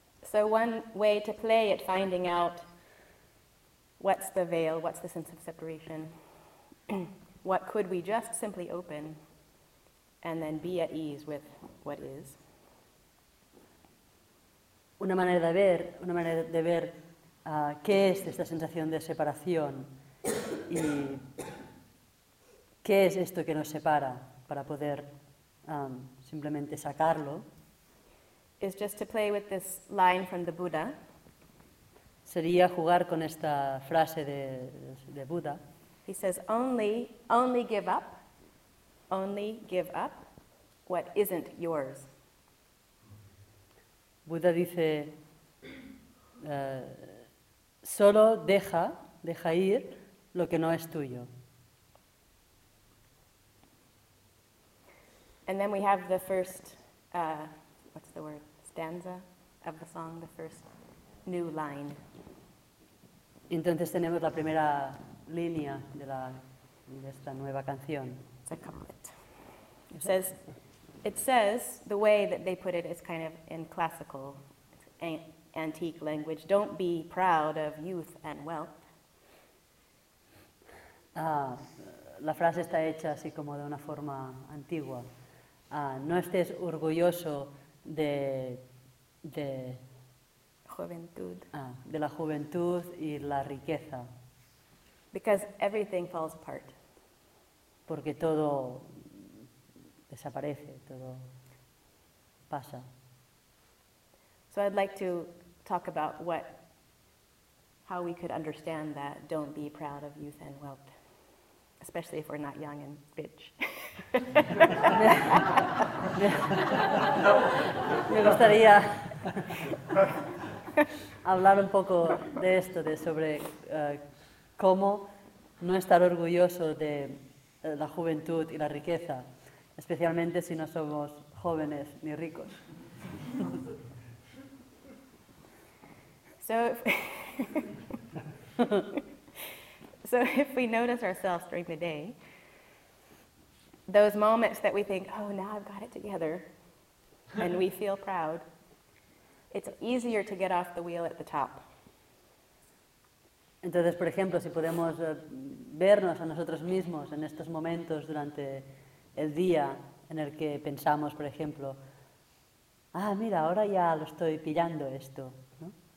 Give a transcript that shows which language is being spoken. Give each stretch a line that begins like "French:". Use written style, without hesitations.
English: So one way to play at finding out what's the veil, what's the sense of separation, what could we just simply open and then be at ease with what is.
Spanish: Una manera de ver, una manera de ver qué es esta sensación de separación y qué es esto que nos separa para poder simplemente sacarlo.
English: Is just to play with this line from the Buddha.
Spanish: Sería jugar con esta frase de Buda.
English: He says, only give up. Only give up what isn't yours.
Spanish: Buda dice, solo deja ir lo que no es tuyo.
English: And then we have the first, what's the word? Stanza of the song, the first new line.
Spanish: Entonces tenemos la primera línea de esta nueva canción.
English: It's a couplet. It says, the way that they put it is kind of in classical, antique language, don't be proud of youth and wealth.
Spanish: La frase está hecha así como de una forma antigua. No estés orgulloso de juventud. De la juventud y la riqueza.
English: Because everything falls apart.
Spanish: Porque todo desaparece, todo pasa.
English: So I'd like to talk about what, how we could understand that don't be proud of youth and wealth, especially if we're not young and bitch.
Spanish: Me gustaría hablar un poco de esto, de sobre cómo no estar orgulloso de la juventud y la riqueza, especialmente si no somos jóvenes ni ricos.
English: So if we notice ourselves during the day, those moments that we think, oh, now I've got it together, and we feel proud, it's easier to get off the wheel at the top.
Spanish: Entonces, por ejemplo, si podemos vernos a nosotros mismos en estos momentos durante el día en el que pensamos, por ejemplo, ah, mira, ahora ya lo estoy pillando esto, ¿no?